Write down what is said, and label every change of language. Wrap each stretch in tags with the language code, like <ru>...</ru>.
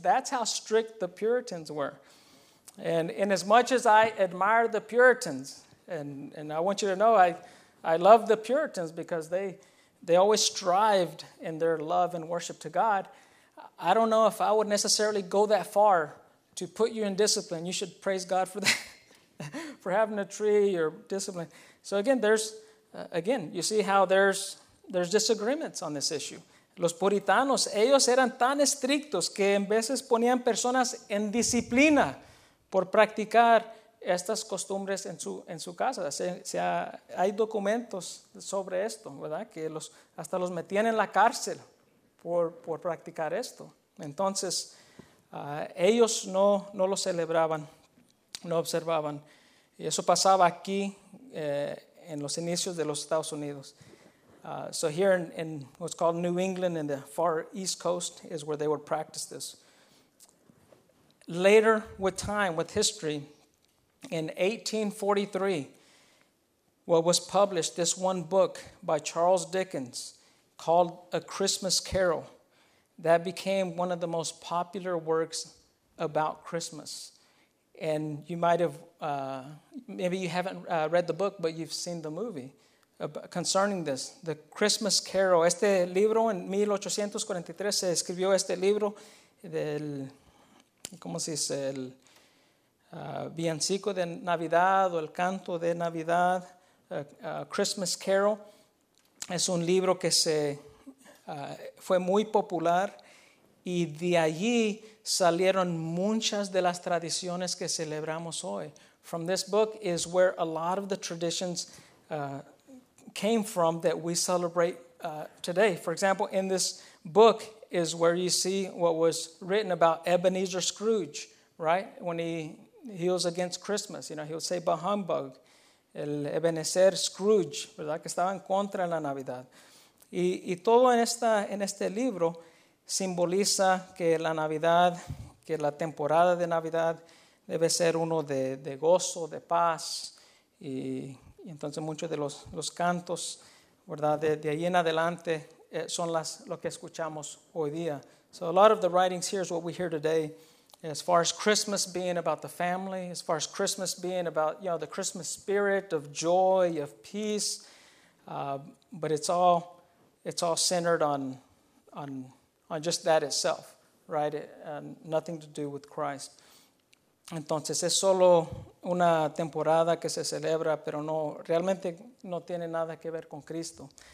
<en>That's how strict the Puritans were. And as much as I admire the Puritans, and I want you to know, I love the Puritans because they always strived in their love and worship to God. I don't know if I would necessarily go that far to put you in discipline. You should praise God for that, for having a tree or discipline. So again, you see how there's disagreements on this issue.</en> <es>Los puritanos, ellos eran tan estrictos que en veces ponían personas en disciplina por practicar estas costumbres en su casa. Hay documentos sobre esto, ¿verdad? Que hasta los metían en la cárcel por practicar esto. Entonces, ellos no lo celebraban, no observaban. Y eso pasaba aquí en los inicios de los Estados Unidos.</es> <en>So here in what's called New England in the far east coast is where they would practice this. Later with time, with history, in 1843, what was published, this one book by Charles Dickens called A Christmas Carol, that became one of the most popular works about Christmas. And you might have, maybe you haven't read the book, but you've seen the movie, concerning this, the Christmas Carol.</en> <es>Este libro en 1843 se escribió este libro del, ¿cómo se dice? El villancico de Navidad o el canto de Navidad, Christmas Carol. Es un libro que se fue muy popular y de allí salieron muchas de las tradiciones que celebramos hoy.</es> <en>From this book is where a lot of the traditions came from that we celebrate today. For example, in this book is where you see what was written about Ebenezer Scrooge, right? When he was against Christmas, you know, he would say, "Bah humbug."</en> <es>El Ebenezer Scrooge, ¿verdad? Que estaba en contra de la Navidad. Y todo en este libro simboliza que la Navidad, que la temporada de Navidad debe ser uno de gozo, de paz. Y entonces muchos de los cantos, ¿verdad? De ahí en adelante son las, lo que escuchamos hoy día.</es> <en>So a lot of the writings here is what we hear today. As far as Christmas being about the family, as far as Christmas being about, you know, the Christmas spirit of joy, of peace, but it's all centered on just that itself, right? Nothing to do with Christ.</en> <es>Entonces es solo una temporada que se celebra, pero no realmente no tiene nada que ver con Cristo.</es>